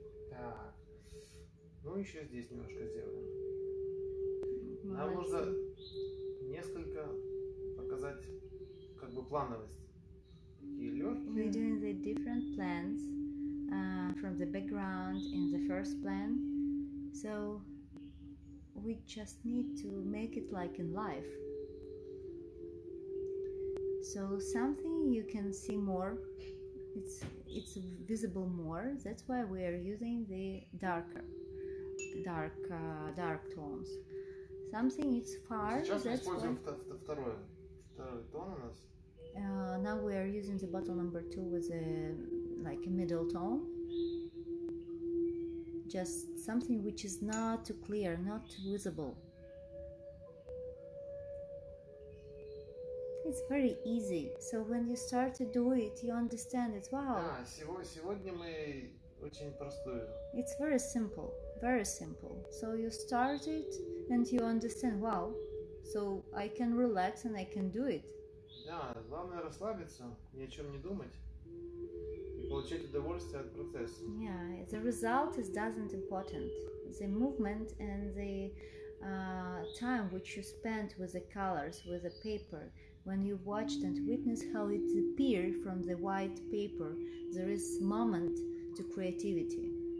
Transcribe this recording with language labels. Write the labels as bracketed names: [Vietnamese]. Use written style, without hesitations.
[Russian] Так, ну еще здесь немножко сделаем. Молодцы. Нам нужно несколько показать, как бы, плановость. И легкие. [English] We're doing the different plans from the background in the first plan. So we just need to make it like in life. So something you can see more, it's visible more. That's why we are using the dark tones. Something it's far. [Russian] Сейчас мы используем второй тон у нас. [English] Now we are using the bottle number two with a like a middle tone. Just something which is not too clear, not too visible. It's very easy. So when you start to do it, you understand it. Wow. [Russian] Да, сегодня мы очень простую. [English] It's very simple. Very simple. So you start it and you understand. Wow. So I can relax and I can do it. [Russian] Да, главное расслабиться, ни о чем не думать и получить удовольствие от процесса. [English] Yeah, the result is doesn't important. The movement and the time which you spent with the colors, with the paper. When you watched and witnessed how it appeared from the white paper, there is moment to creativity.